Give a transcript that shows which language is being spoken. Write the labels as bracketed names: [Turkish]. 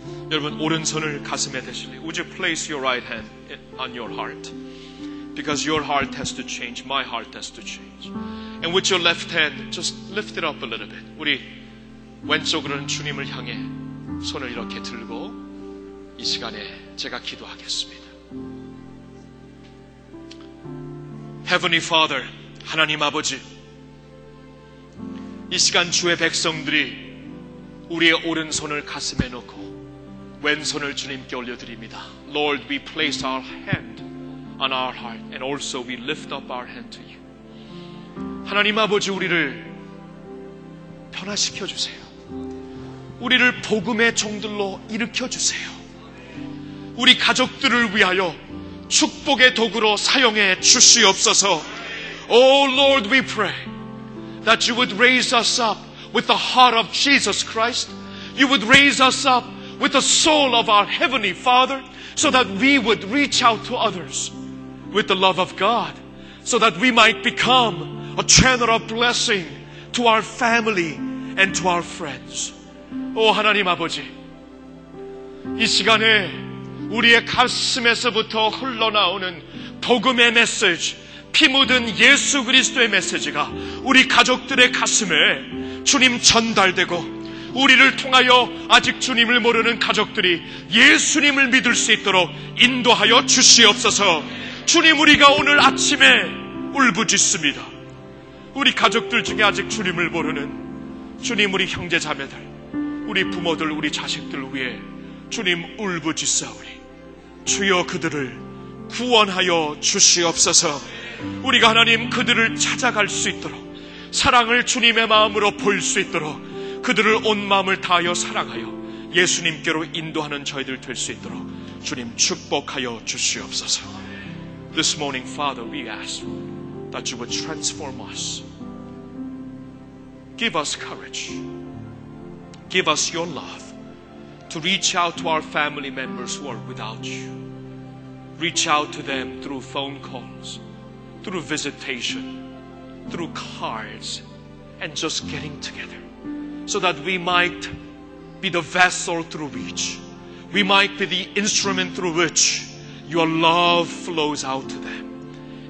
[Korean] 여러분 오른손을 가슴에 대실래요? [English] Would you place your right hand on your heart? Because your heart has to change, my heart has to change. And with your left hand, just lift it up a little bit. [Korean] 우리 왼쪽으로는 주님을 향해 손을 이렇게 들고 이 시간에 제가 기도하겠습니다. [English] Heavenly Father, [Korean] 하나님 아버지, 이 시간 주의 백성들이 우리의 오른손을 가슴에 놓고 왼손을 주님께 올려드립니다. [English] Lord, we place our hand on our heart and also we lift up our hand to you. [Korean] 하나님 아버지, 우리를 변화시켜주세요. 우리를 복음의 종들로 일으켜주세요. 우리 가족들을 위하여 축복의 도구로 사용해 주시옵소서. [English] Oh Lord, we pray that you would raise us up with the heart of Jesus Christ. You would raise us up with the soul of our Heavenly Father so that we would reach out to others with the love of God so that we might become a channel of blessing to our family and to our friends. [Korean] Oh, 하나님 아버지, 이 시간에 우리의 가슴에서부터 흘러나오는 복음의 메시지, 피 묻은 예수 그리스도의 메시지가 우리 가족들의 가슴에 주님 전달되고 우리를 통하여 아직 주님을 모르는 가족들이 예수님을 믿을 수 있도록 인도하여 주시옵소서. 주님, 우리가 오늘 아침에 울부짖습니다. 우리 가족들 중에 아직 주님을 모르는 주님 우리 형제 자매들, 우리 부모들, 우리 자식들 위해 주님 울부짖사오니 주여 그들을 구원하여 주시옵소서. 우리가 하나님 그들을 찾아갈 수 있도록, 사랑을 주님의 마음으로 볼 수 있도록, 그들을 온 마음을 다하여 사랑하여 예수님께로 인도하는 저희들 될 수 있도록 주님 축복하여 주시옵소서. [English] This morning, Father, we ask that you would transform us. Give us courage. Give us your love to reach out to our family members who are without you. Reach out to them through phone calls, through visitation, through cards, and just getting together so that we might be the vessel through which, we might be the instrument through which your love flows out to them.